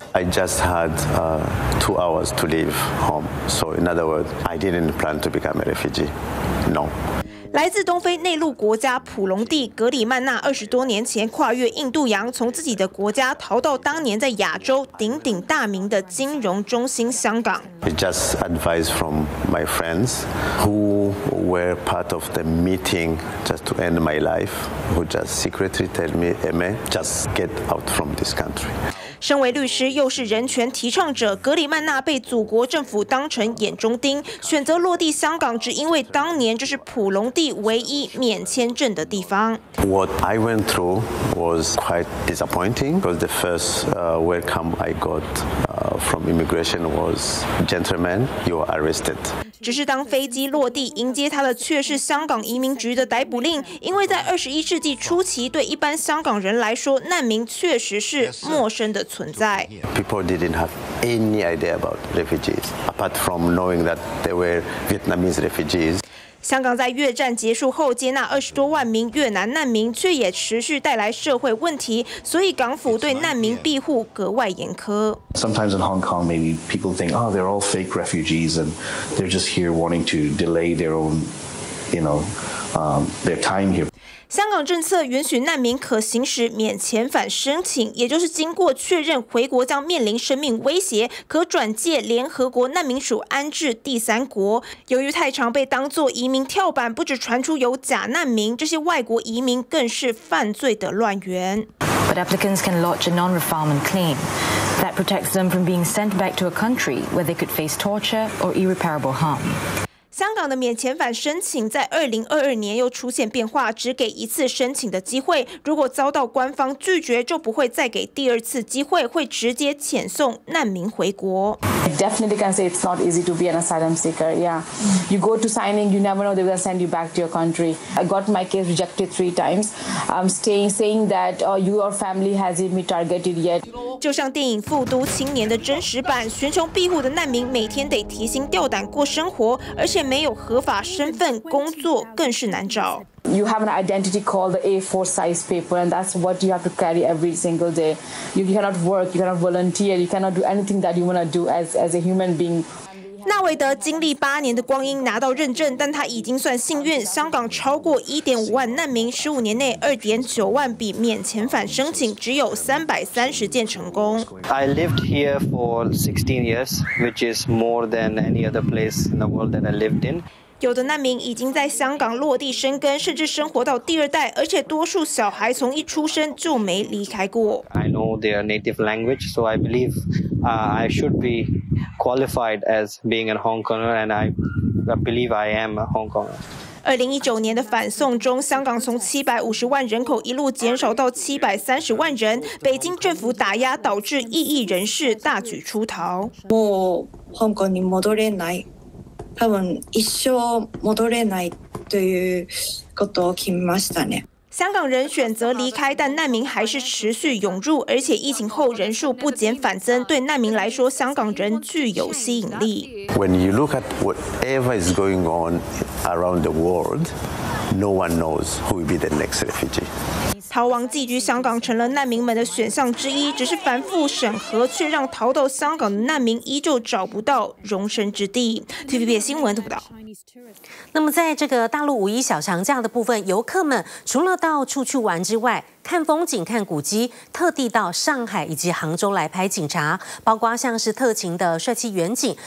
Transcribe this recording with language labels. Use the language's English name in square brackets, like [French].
[English] I just had2 hours to leave home, so in other words, I didn't plan to become a refugee. No. [Chinese] 来自东非内陆国家普隆地格里曼纳20多年前跨越印度洋，从自己的国家逃到当年在亚洲鼎鼎大名的金融中心香港。 [English] It's just advice from my friends who were part of the meeting just to end my life, who just secretly tell me, "Emma, just get out from this country." [Chinese] 身为律师又是人权提倡者，格里曼纳被祖国政府当成眼中钉，选择落地香港，只因为当年就是普隆地唯一免签证的地方。 [English] What I went through was quite disappointing because the first welcome I got from immigration was, "Gentlemen, you are arrested." [Chinese] 只是当飞机落地，迎接他的却是香港移民局的逮捕令。因为在21世纪初期，对一般香港人来说，难民确实是陌生的存在。 [English] People didn't have any idea about refugees, apart from knowing that they were Vietnamese refugees. [Chinese] 香港在越战结束后接纳20多万名越南难民，却也持续带来社会问题，所以港府对难民庇护格外严苛。 [English] Sometimes in Hong Kong, maybe people think, "Oh, they're all fake refugees, and they're just here wanting to delay their own, you know, their time here." [Chinese] 香港政策允许难民可行使免遣返申请，也就是经过确认回国将面临生命威胁，可转介联合国难民署安置第三国。由于太常被当作移民跳板，不止传出有假难民，这些外国移民更是犯罪的乱源。 [English] But applicants can lodge a non-refoulement claim that protects them from being sent back to a country where they could face torture or irreparable harm. [Chinese] 香港的免遣返申请在2022年又出现变化，只给一次申请的机会，如果遭到官方拒绝，就不会再给第二次机会，会直接遣送难民回国。 [English] I definitely can say it's not easy to be an asylum seeker. Yeah, you go to signing, you never know they will send you back to your country. I got my case rejected 3 times. I'm saying that your family hasn't been targeted yet. [Chinese] 就像电影《复读青年》的真实版，寻求庇护的难民每天得提心吊胆过生活，而且没有合法身份，工作更是难找。 [English] You have an identity called the A4 size paper, and that's what you have to carry every single day. You cannot work, you cannot volunteer, you cannot do anything that you want to do as a human being. [Chinese] 纳维德经历8年的光阴拿到认证，但他已经算幸运。香港超过1.5万难民，15年内2.9万笔免遣返申请，只有330件成功。 [English] I lived here for 16 years, which is more than any other place in the world that I lived in. [Chinese] 有的难民已经在香港落地生根，甚至生活到第二代，而且多数小孩从一出生就没离开过。 [English] I know their native language, so I believe I should be qualified as being a Hong Konger, and I I believe I am a Hong Konger。 [Chinese] 2019年的反送中，香港从750万人口一路减少到730万人，北京政府打压导致异议人士大举出逃。 [Japanese] もう香港に戻れない、多分一生戻れないということを決めましたね。 [Chinese] 香港人选择离开，但难民还是持续涌入，而且疫情后人数不减反增，对难民来说，香港人具有吸引力。 [English] When you look at whatever is going on around the world, no one knows who will be the next refugee. [Chinese] 逃亡寄居香港成了难民们的选项之一，只是繁复审核却让逃到香港的难民依旧找不到容身之地。 TVB 新闻报道。那么在这个大陆五一小长假的部分，游客们除了到处去玩之外，看风景看古迹，特地到上海以及杭州来拍警察，包括像是特勤的帅气远景。